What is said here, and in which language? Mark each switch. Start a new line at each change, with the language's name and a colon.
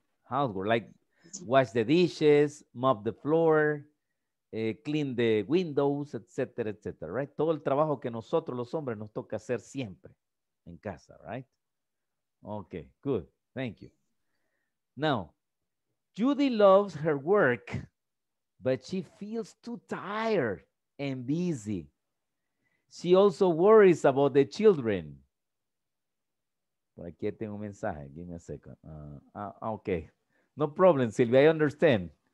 English: Housework, like wash the dishes, mop the floor, clean the windows, etc., etc., right?
Spanish: Todo el trabajo que nosotros los hombres nos toca hacer siempre en casa, right?
English: Okay, good. Thank you. Now, Judy loves her work, but she feels too tired and busy. She also worries about the children.
Spanish: Por aquí tengo un mensaje.
English: Give me a second. Okay. No problem, Silvia. I understand.